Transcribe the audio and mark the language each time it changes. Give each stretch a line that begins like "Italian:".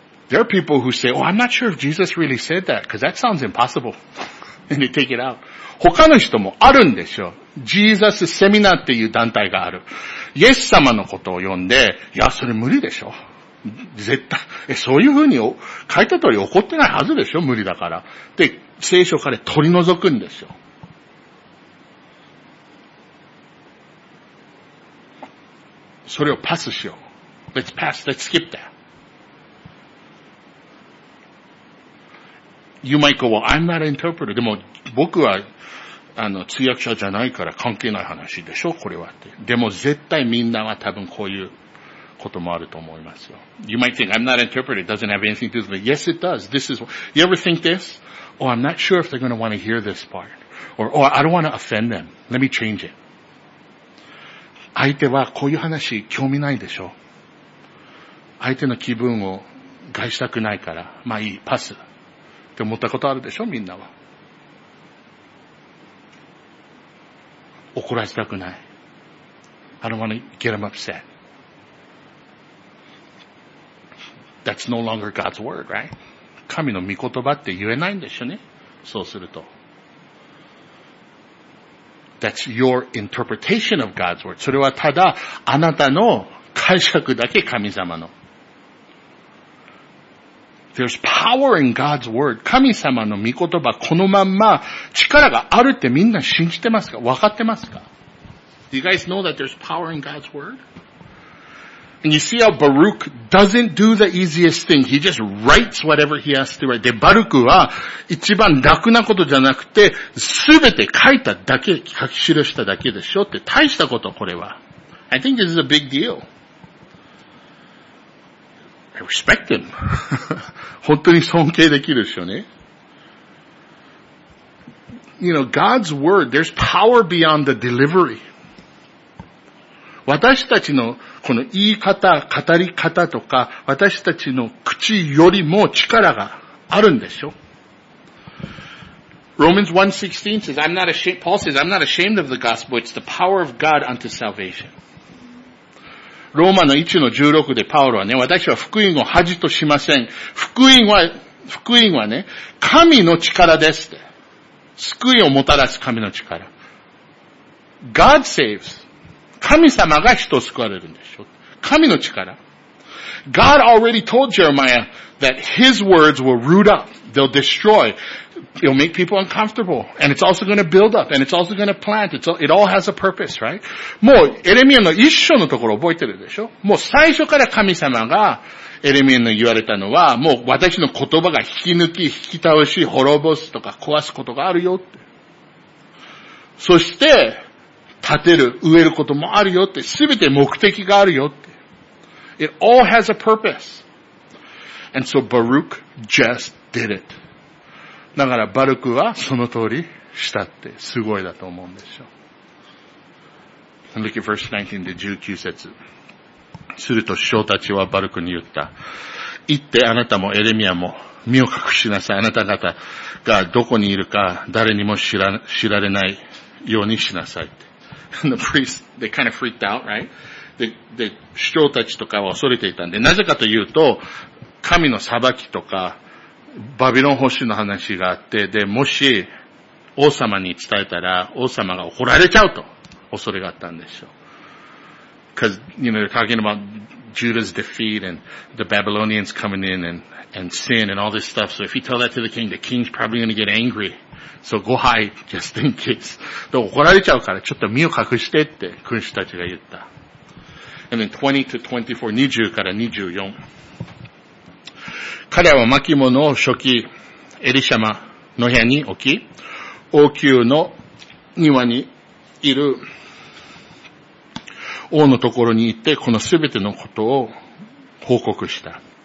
English: There are people who say, oh, I'm not sure if Jesus really said that, because that sounds impossible. And they take it out.
Japanese: 他の人もあるんでしょう。 Jesus Seminar っていう団体がある。イエス様のことを読んで、いや、それ無理でしょ。絶対、そういうふうに書いた通り怒ってないはずでしょ、無理だから。で、聖書から取り除くんですよ。それをパスしよう。
English: Let's pass, let's skip that. You might go, well, I'm not an interpreter.
Japanese: でも、僕は、通訳者じゃないから関係ない話でしょ、これはって。でも、絶対みんなは多分こういう、こともあると思いますよ。
English: You might think, I'm not an interpreter, it doesn't have anything to do with it. Yes, it does. This is, you ever think this? Oh, I'm not sure if they're going to want to hear this part. Or, oh, I don't want to offend them. Let me change it.
Japanese: 相手はこういう話興味ないでしょ。相手の気分を害したくないから、まあいい、パス。って思ったことあるでしょ、みんなは。怒らせたくない。
English: I don't want to get them upset. That's no longer God's word, right?
Japanese: 神の御言葉って言えないんでしょうね。そうすると。
English: That's your interpretation of God's word.
Japanese: それはただ、あなたの解釈だけ神様の。
English: There's power in God's word.
Japanese: 神様の御言葉、このまんま力があるってみんな信じてますか？分かってますか？
English: Do you guys know that there's power in God's word? And you see how Baruch doesn't do the easiest thing. He just writes whatever he has to write.
Japanese: で、バルクは一番楽なことじゃなくて、すべて書いただけ、書き記しただけでしょって、大したこと、これは。
English: I think this is a big deal. I respect him.
Japanese: 本当に尊敬できるでしょうね。
English: You know, God's word, there's power beyond the delivery.
Japanese: 私たちのこの言い方、語り方とか、私たちの口よりも力があるんでしょ。
English: Romans 1:16 says, I'm not ashamed, Paul says, I'm not ashamed of the gospel, it's the power of God unto salvation.
Japanese: ローマの 1:16 でパウロはね、私は福音を恥としません。福音はね、神の力ですって。救いをもたらす神の力。
English: God saves.
Japanese: 神様が人を救われるんでしょ。神の力。
English: God already told Jeremiah that his words will root up, they'll destroy, it'll make people uncomfortable, and it's also going to build up, and it's also going to plant, it all has a purpose, right?
Japanese: もう、エレミアの一章のところ覚えてるでしょ。もう最初から神様がエレミアに言われたのは、もう私の言葉が引き抜き、引き倒し、滅ぼすとか壊すことがあるよって。そして、立てる、植えることもあるよって、すべて目的があるよって。
English: It all has a purpose. And so Baruch just did it.
Japanese: だからバルクはその通りしたってすごいだと思うんでしょう。
English: And look at verse 19 to 19節。
Japanese: すると首相たちはバルクに言った。行ってあなたもエレミアも身を隠しなさい。あなた方がどこにいるか誰にも知られないようにしなさいって。
English: And the priests, they kind of freaked out, right?
Japanese: で、首長たちとかは恐れていたんで、なぜかというと、神の裁きとか、バビロン捕囚の話があって、で、もし、王様に伝えたら、王様が怒られちゃうと、恐れがあったんでしょう。
English: Because, you know, they're talking about Judah's defeat and the Babylonians coming in and sin and all this stuff. So if you tell that to the king's probably going to get angry. So go hide, just in case.
Japanese: で、怒られちゃうから、ちょっと身を隠してって、君主たちが言った。
English: And then 20 to 24, 20から24。
Japanese: 彼は巻物を初期、エリシャマの部屋に置き、王宮の庭にいる王のところに行って、このすべてのことを報告した。